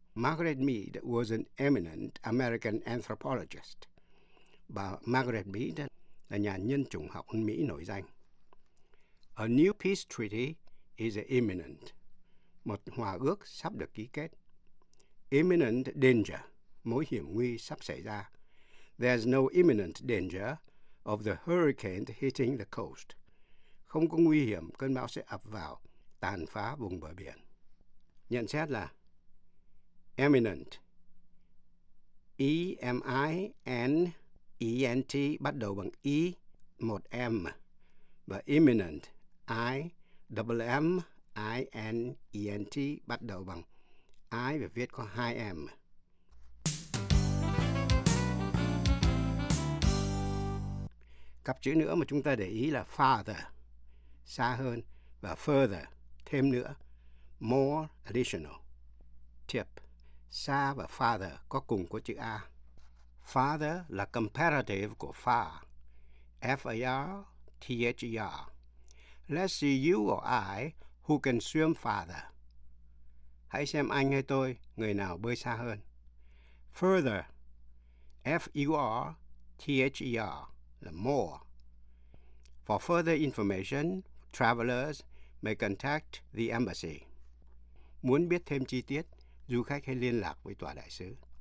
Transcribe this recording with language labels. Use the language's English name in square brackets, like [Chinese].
[English] Margaret Mead was an eminent American anthropologist. [Vietnamese] Bà Margaret Mead là nhà nhân chủng học Mỹ nổi danh. [English] A new peace treaty is imminent, [Vietnamese] một hòa ước sắp được ký kết. [English] Imminent danger, [Vietnamese] mối hiểm nguy sắp xảy ra. [English] There's no imminent danger of the hurricane hitting the coast. [Vietnamese] Không có nguy hiểm cơn bão sẽ ập vào, tàn phá vùng bờ biển. Nhận xét là eminent, E-M-I-N-E-N-T, bắt đầu bằng E, một M, và imminent, I-M-M-I-N-E-N-T, bắt đầu bằng I và viết có hai M. Cặp chữ nữa mà chúng ta để ý là farther, xa hơn, và further, thêm nữa, more, additional. Tip, xa và farther có cùng của chữ A. Farther là comparative của far, F-A-R-T-H-E-R. [English] Let's see you or I who can swim farther. [Vietnamese] Hãy xem anh hay tôi, người nào bơi xa hơn. [English] Further, F-U-R-T-H-E-R. The more. For further information, travelers may contact the embassy. [Vietnamese] Muốn biết thêm chi tiết, du khách hãy liên lạc với tòa đại sứ.